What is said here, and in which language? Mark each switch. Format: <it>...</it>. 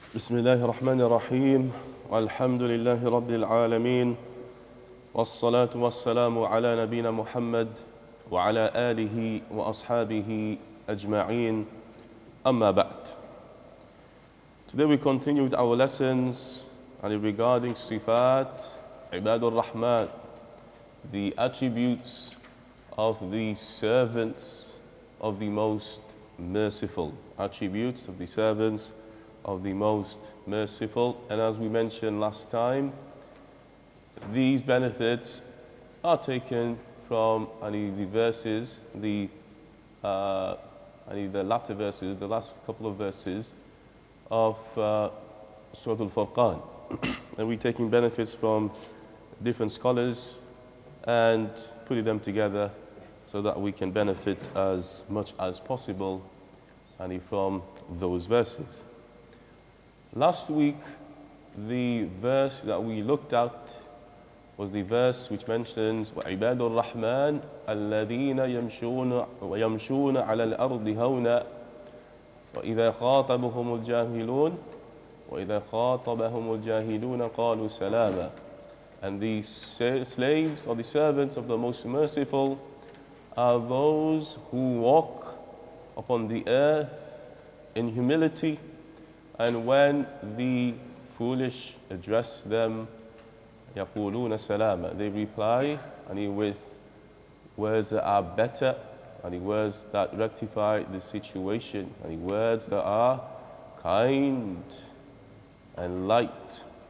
<ar>بسم الله الرحمن الرحيم والحمد لله رب العالمين والصلاة والسلام على نبينا محمد وعلى آله وأصحابه أجمعين أما بعد.</ar> <en>Today we continue with our lessons regarding</en> <ar>صفات عباد الرحمن,</ar> <en>the attributes of the servants of the Most Merciful, attributes of the servants of the Most Merciful. And as we mentioned last time, these benefits are taken from the verses, the latter verses, the last couple of verses of Surah Al-Furqan. And we're taking benefits from different scholars and putting them together so that we can benefit as much as possible from those verses. Last week, the verse that we looked at was the verse which mentions</en> <ar>وَعِبَادُ الرَّحْمَنِ الَّذِينَ يَمْشُونَ عَلَى الْأَرْضِ هَوْنًا وَإِذَا خَاطَبَهُمُ الْجَاهِلُونَ وَإِذَا خَاطَبَهُمُ الْجَاهِلُونَ قَالُوا سَلَامًا.</ar> <en>And the slaves or the servants of the Most Merciful are those who walk upon the earth in humility, and when the foolish address them,</en> <ar>يَقُولُونَ سَلَامًا,</ar> <en>they reply with words that are better, words that rectify the situation, words that are kind and light.</en>